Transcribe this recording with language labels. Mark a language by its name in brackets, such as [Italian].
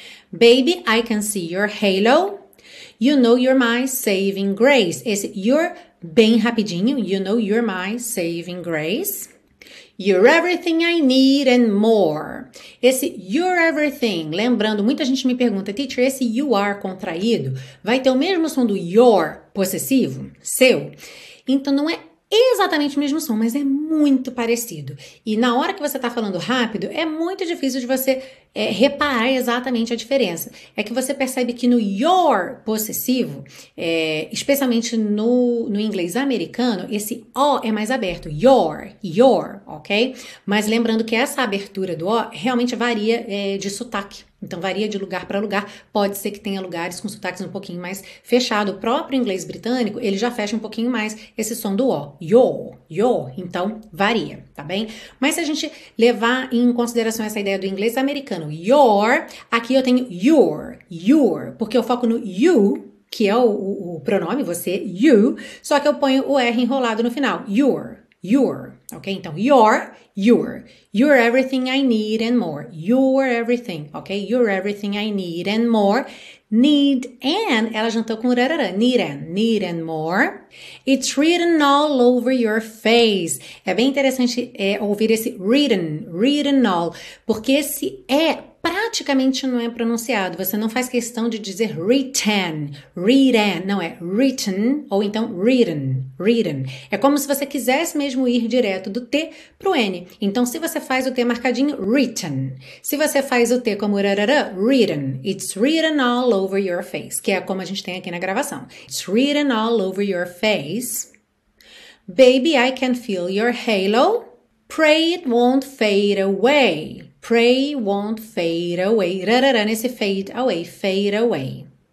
[English] Baby, I can see your halo, you know you're my saving grace. [Portuguese] Esse you're bem rapidinho, [English] you know you're my saving grace. You're everything I need and more. [Portuguese] Esse you're everything, lembrando, muita gente me pergunta, teacher, esse you are contraído vai ter o mesmo som do your possessivo, seu? Então não é exatamente o mesmo som, mas é muito parecido. E na hora que você está falando rápido, é muito difícil de você reparar exatamente a diferença. É que você percebe que no your possessivo, especialmente no inglês americano, esse O é mais aberto. Your, your, ok? Mas lembrando que essa abertura do O realmente varia de sotaque. Então varia de lugar para lugar. Pode ser que tenha lugares com sotaques um pouquinho mais fechado. O próprio inglês britânico, ele já fecha um pouquinho mais esse som do O. Your, your. Então varia, tá bem? Mas se a gente levar em consideração essa ideia do inglês americano, your, aqui eu tenho your, your, porque eu foco no you, que é o pronome, você, you, só que eu ponho o R enrolado no final, your, your, ok? [English] Então, your, your, you're everything I need and more, you're everything, ok? You're everything I need and more, need and, [Portuguese] ela juntou com rarara, [English] need and more, it's written all over your face. [Portuguese] É bem interessante ouvir esse written, written all, porque esse é praticamente não é pronunciado, você não faz questão de dizer written, written, não é written, ou então written, written. É como se você quisesse mesmo ir direto do T pro N. Então, se você faz o T marcadinho, written. Se você faz o T como rarara, written. [English] It's written all over your face, [Portuguese] que é como a gente tem aqui na gravação. [English] It's written all over your face. Baby, I can feel your halo. Pray it won't fade away. Pray won't fade away. Rarara nesse fade away, fade away.